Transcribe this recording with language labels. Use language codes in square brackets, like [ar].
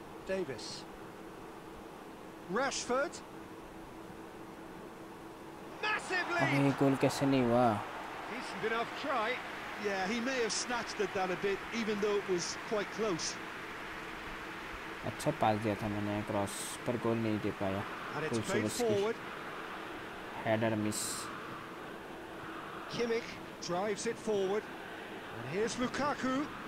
[en] Davis, Rashford, massively. [hi] अरे गोल कैसे नहीं हुआ? [en] Decent enough try. Yeah, he may have snatched at that a bit, even though it was quite close. [hi] अच्छा पास दिया था मैंने क्रॉस पर, गोल नहीं दे पाया। [en] Forward. Header miss. Kimmich drives it forward, and here's Lukaku.